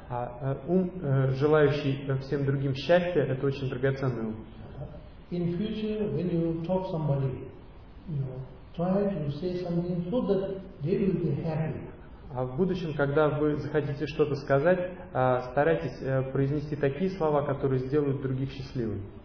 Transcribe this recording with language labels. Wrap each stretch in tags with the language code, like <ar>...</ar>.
<ru>А ум, желающий всем другим счастья, это очень драгоценный ум.</ru> <en>In future, when you talk somebody, you know, try to say something so that they will be happy.</en> <ru>А в будущем, когда вы захотите что-то сказать, старайтесь произнести такие слова, которые сделают других счастливыми.</ru>